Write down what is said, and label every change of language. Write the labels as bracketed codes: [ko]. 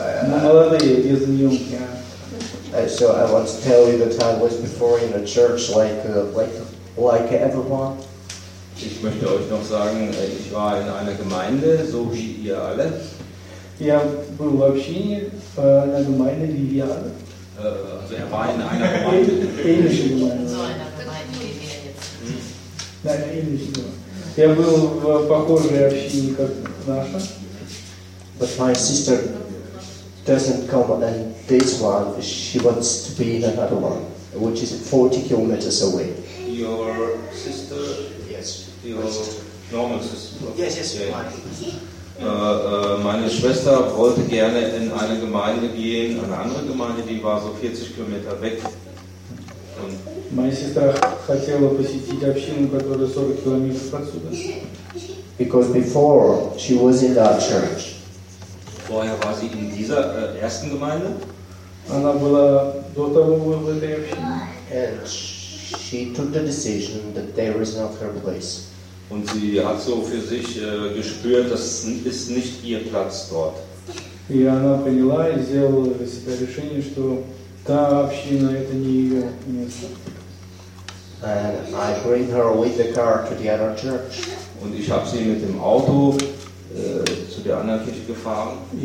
[en] So I want to tell you that I was before in a church like everyone. [de] Ich möchte euch noch sagen, ich war in einer Gemeinde, so wie ihr alle. [ru] Я был в общине, в [de] einer Gemeinde, wie wir alle. Also er war in einer Gemeinde. Ähnliche Gemeinde. So einer Gemeinde, wie wir jetzt. Nein, ähnliche Gemeinde. [ru] Я был в похожей общине, как наша. [en] But my sister doesn't come and this one, she wants to be in another one, which is 40 kilometers away. Your sister? Yes. Your normal sister? Yes, yes. Okay. [de] Meine Schwester wollte gerne in eine Gemeinde gehen, eine andere Gemeinde, die war so 40 Kilometer weg. Meine Schwester [ru] хотела посетить общину, которая 40 километров отсюда. [en] Because before, she was in that church. [de] Vorher war sie in dieser ersten Gemeinde. [ru] Она была до того в этой общине. [en] And she took the decision that there is not her place. [de] Und sie hat so für sich gespürt, das ist nicht ihr Platz dort. [ru] И она поняла и сделала для себя решение, что та община — это не ее место. [en] And I bring her with the car to the other church. [de] Und ich habe sie mit dem Auto zu der anderen Kirche gefahren.